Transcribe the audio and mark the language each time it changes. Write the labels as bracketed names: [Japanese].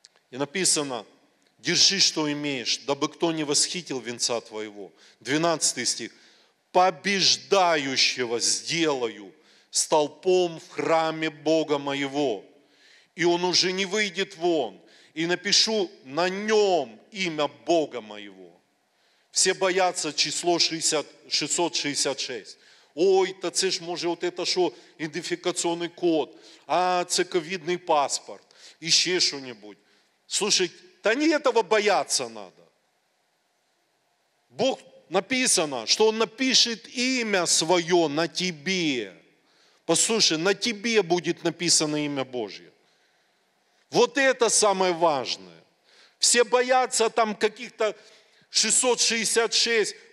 [Russian] И написано: держи, что имеешь, дабы кто не восхитил венца твоего. 12 стих. Побеждающего сделаю столпом в храме Бога моего, и он уже не выйдет вон, и напишу на нем имя Бога моего. Все боятся число 666. [Ukrainian] Ой, та це ж може от это шо, ідентифікаційний код, а це ковідний паспорт, і ще що-нибудь. [Russian] Слушай, та не этого бояться надо. Бог написано, что он напишет имя свое на тебе. Послушай, на тебе будет написано имя Божье. Вот это самое важное. Все боятся там каких-то 666.